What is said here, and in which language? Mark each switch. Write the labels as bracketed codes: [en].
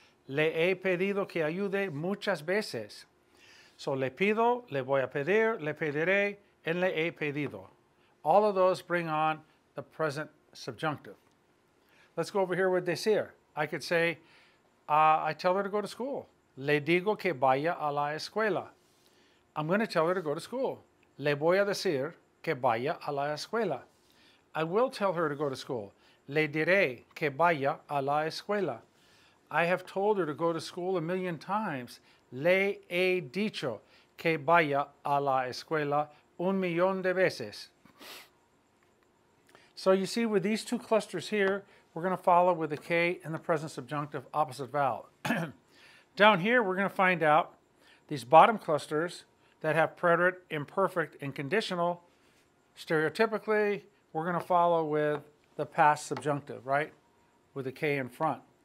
[es] Le he pedido que ayude muchas veces. So le pido, le voy a pedir, le pediré, and le he pedido. [en] All of those bring on the present subjunctive. Let's go over here with decir. I could say, I tell her to go to school. [es] Le digo que vaya a la escuela. [en] I'm going to tell her to go to school. [es] Le voy a decir que vaya a la escuela. [en] I will tell her to go to school. [es] Le diré que vaya a la escuela. [en] I have told her to go to school a million times. [es] Le he dicho que vaya a la escuela un millón de veces. [en] So you see with these two clusters here, we're going to follow with the K in the present subjunctive opposite vowel. Down here, we're going to find out these bottom clusters that have preterite, imperfect, and conditional. Stereotypically, we're going to follow with the past subjunctive, right? With the K in front.